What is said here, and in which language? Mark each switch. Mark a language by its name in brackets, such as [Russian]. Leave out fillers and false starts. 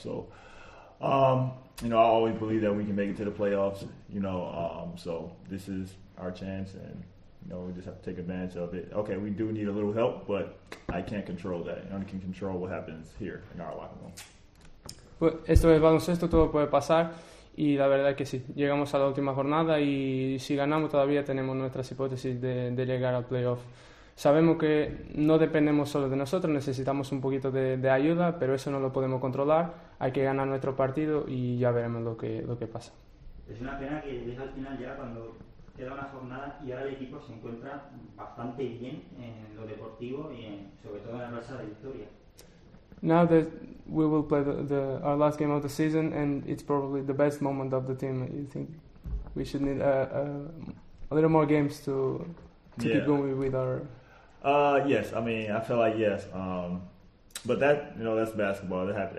[English] So, you know, I always believe that we can make it to the playoffs, you know. So this is our chance, and, you know, we just have to take advantage of it. Okay, we do need a little help, but I can't control that. I only can control what happens here in our locker room. [Spanish] Pues esto es baloncesto, todo puede pasar. Y la verdad es que sí, llegamos a la última jornada y si ganamos todavía tenemos nuestras hipótesis de llegar al playoff. Sabemos que no dependemos solo de nosotros, necesitamos un poquito de ayuda, pero eso no lo podemos controlar. Hay que ganar nuestro partido y ya veremos lo que pasa. Es una pena que es al final ya cuando queda una jornada y ahora el equipo se encuentra bastante bien en lo deportivo y sobre todo en la racha de victoria. [English] Now that we will play our last game of the season, and it's probably the best moment of the team. You think we should need a little more games to keep going with our? Yes. I mean, I feel like yes. But that, you know, that's basketball. That happens.